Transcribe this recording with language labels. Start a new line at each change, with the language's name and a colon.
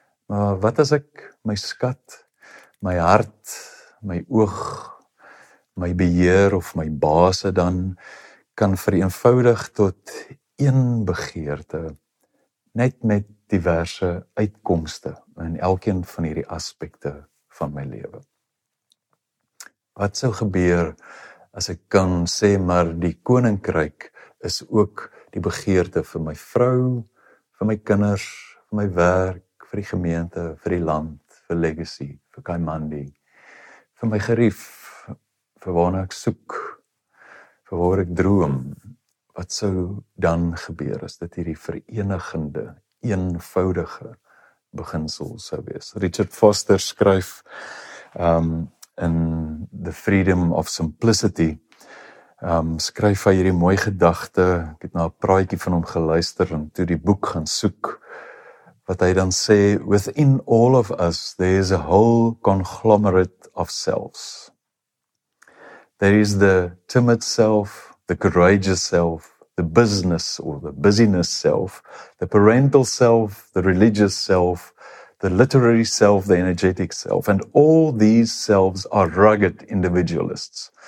Afrikaans: Maar wat as ek my skat, my hart, my oog, my beheer of my base dan kan vereenvoudig tot een begeerte, net met diverse uitkomste in elkeen van hierdie aspekte van my lewe? Wat sou gebeur as ek kan sê, maar die koninkryk is ook die begeerte vir my vrou, vir my kinders, vir my werk, vir die gemeente, vir die land, vir legacy, vir Kaimandi, vir my gerief, vir waarna ek soek, vir waar ek droom. Wat sou dan gebeur as dit hierdie verenigende, eenvoudige beginsel sou wees? Richard Foster skryf in The Freedom of Simplicity, skryf hy hierdie mooie gedagte, ek het na 'n praatjie van hom geluister en toe die boek gaan soek, wat hy dan sê,
English: within all of us, there is a whole conglomerate of selves. There is the timid self, the courageous self, the business or the busyness self, the parental self, the religious self, the literary self, the energetic self. And all these selves are rugged individualists.